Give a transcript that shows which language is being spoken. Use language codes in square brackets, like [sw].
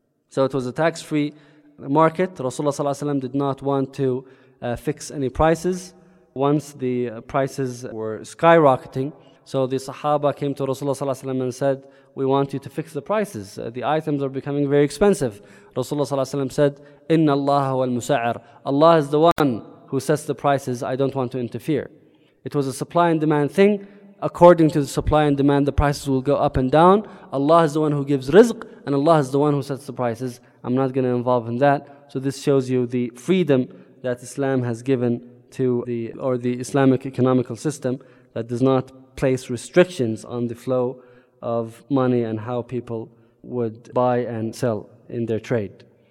[en] So it was a tax-free market. Rasulullah صلى الله عليه وسلم did not want to fix any prices once the prices were skyrocketing. So the Sahaba came to Rasulullah صلى الله عليه وسلم and said, we want you to fix the prices. The items are becoming very expensive. [ar] Rasulullah صلى الله عليه وسلم said, إِنَّ اللَّهَ هُوَ الْمُسَعِرُ. [en] Allah is the one who sets the prices. I don't want to interfere. It was a supply and demand thing. According to the supply and demand, the prices will go up and down. Allah is the one who gives rizq, and Allah is the one who sets the prices. I'm not going to involve in that. So this shows you the freedom that Islam has given to the Islamic economical system that does not place restrictions on the flow of money and how people would buy and sell in their trade.